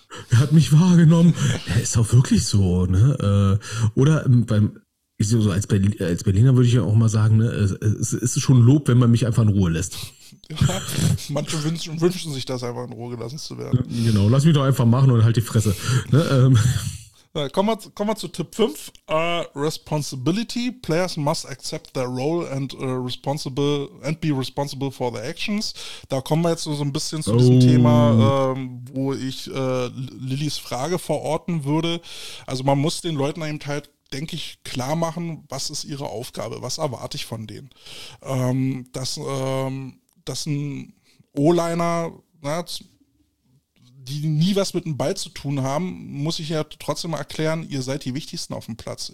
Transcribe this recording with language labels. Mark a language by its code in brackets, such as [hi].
[de] Er hat mich wahrgenommen. Er ist auch wirklich so, ne? Oder beim. Ich so, als Berliner würde ich ja auch mal sagen, ne, es ist schon Lob, wenn man mich einfach in Ruhe lässt. Ja, manche wünschen sich das, einfach in Ruhe gelassen zu werden. Genau, lass mich doch einfach machen und halt die Fresse. Ne, Kommen wir zu Tipp 5. Responsibility. [en] Players must accept their role and be responsible for their actions. [de] Da kommen wir jetzt so ein bisschen zu diesem Thema, wo ich Lillys Frage verorten würde. Also man muss den Leuten eben halt, denke ich, klar machen, was ist ihre Aufgabe, was erwarte ich von denen. Dass ein O-Liner, die nie was mit dem Ball zu tun haben, muss ich ja trotzdem erklären, ihr seid die Wichtigsten auf dem Platz.